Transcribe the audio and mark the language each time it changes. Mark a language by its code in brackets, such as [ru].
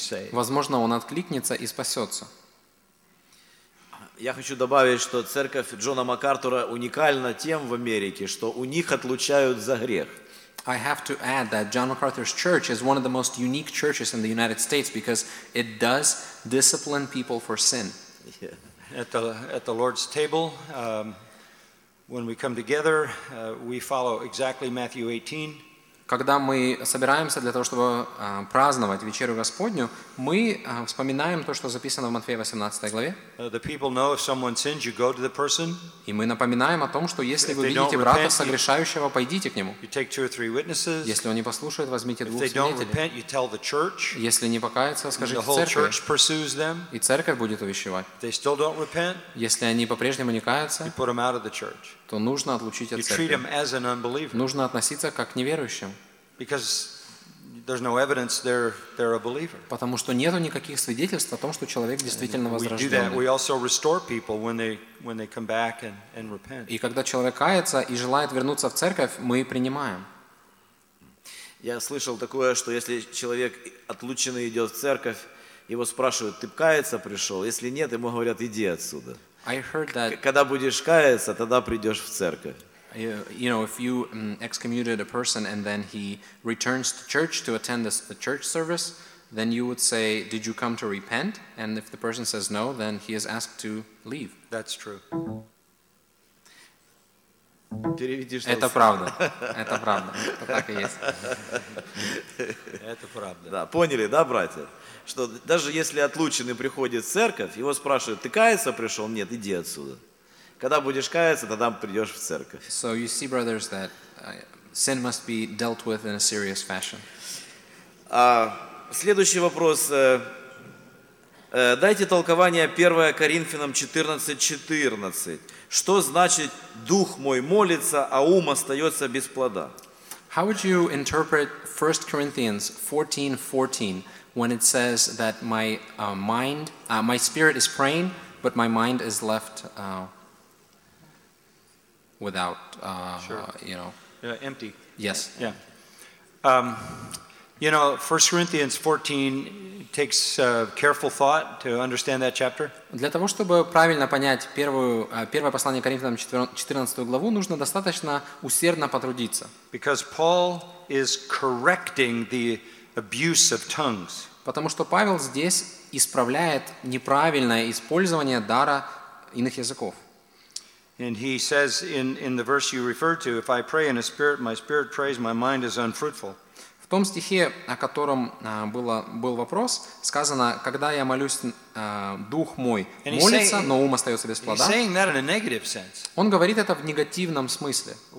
[ru] возможно, он откликнется и спасется. Я хочу добавить, что церковь Джона МакАртура уникальна тем в Америке, что у них отлучают за грех. [en] I have to add that John MacArthur's church is one of the most unique churches in the United States because it does discipline people for sin. At the Lord's table, when we come together, we follow exactly Matthew 18. [ru] Когда мы собираемся для того, чтобы праздновать вечерю Господню, мы вспоминаем то, что записано в Матфея 18 главе. [en] The people know if someone sins, you go to the person. [ru] И мы напоминаем о том, что если вы видите брата согрешающего, пойдите к нему. [en] You take two or three witnesses. [ru] Если он не послушает, возьмите двух свидетелей. [en] If they don't repent, you tell the church. [ru] Если не покаяться, скажите церкви. [en] The whole church pursues them. [ru] И церковь будет увещевать. [en] If they still don't repent, [ru] если они по-прежнему не каются, [en] you put them out of the church. [ru] То нужно отлучить от церкви. [en] You treat them as an unbeliever. [ru] Нужно относиться как к неверующим. [en] Because there's no evidence they're a believer. [ru] Потому что нету никаких свидетельств о том, что человек действительно возрожденный. [en] We do that. We also restore people when they come back and repent. [ru] И когда человек кается и желает вернуться в церковь, мы принимаем. Я слышал такое, что если человек отлученный идет в церковь, его спрашивают: ты каяться пришел? Если нет, ему говорят: иди отсюда. [en] I heard that. [ru] Когда будешь каяться, тогда придешь в церковь. [en] You know, if you excommunicated a person and then he returns to church to attend the church service, then you would say, did you come to repent? And if the person says no, then he is asked to leave. That's true. [ru] Переведи, что это правда. Это правда. Это так и есть. Это правда. Да, поняли, да, братья? Что даже если отлученный приходит в церковь, его спрашивают, ты каяться пришел? Нет, иди отсюда. Когда будешь каяться, тогда придешь в церковь. [en] So you see, brothers, that sin must be dealt with in a serious fashion. [ru] Следующий вопрос. Дайте толкование 1 Коринфянам 14:14. Что значит «дух мой молится, а ум остается без плода»? [en] How would you interpret 1 Corinthians 14:14 when it says that my mind, my spirit is praying, but my mind is left without, you know? Empty. Yes. Yeah. You know, 1 Corinthians 14 takes careful thought to understand that chapter. [ru] Для того, чтобы правильно понять первое послание Коринфянам 14 главу, нужно достаточно усердно потрудиться. [en] Because Paul is correcting the abuse of tongues. [ru] Потому что Павел здесь исправляет неправильное использование дара иных языков. [en] And he says in the verse you referred to, if I pray in a spirit, my spirit prays, my mind is unfruitful. [ru] В том стихе, о котором был вопрос, сказано, когда я молюсь, дух мой молится, но ум остается без плода. Он говорит это в негативном смысле.